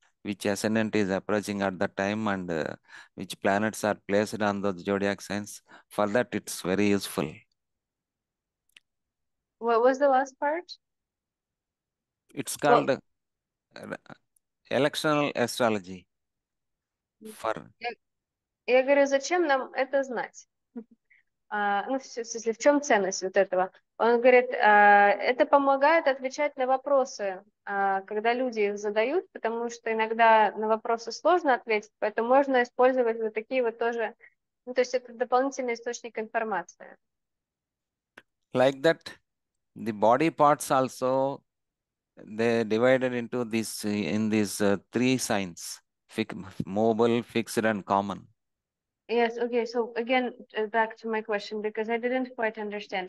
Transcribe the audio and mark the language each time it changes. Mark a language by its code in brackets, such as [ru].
[en] Which ascendant is approaching at that time, and which planets are placed on those zodiac signs? For that, it's very useful. What was the last part? It's What? called electional astrology. For [ru] Я говорю, зачем нам это знать? Ну, в смысле, в чем ценность вот этого? Он говорит, это помогает отвечать на вопросы, когда люди их задают, потому что иногда на вопросы сложно ответить, поэтому можно использовать вот такие вот тоже, ну, то есть это дополнительный источник информации. [en] Like that, the body parts also they divided into this in these three signs: mobile, fixed, and common. Yes, okay. So again, back to my question because I didn't quite understand.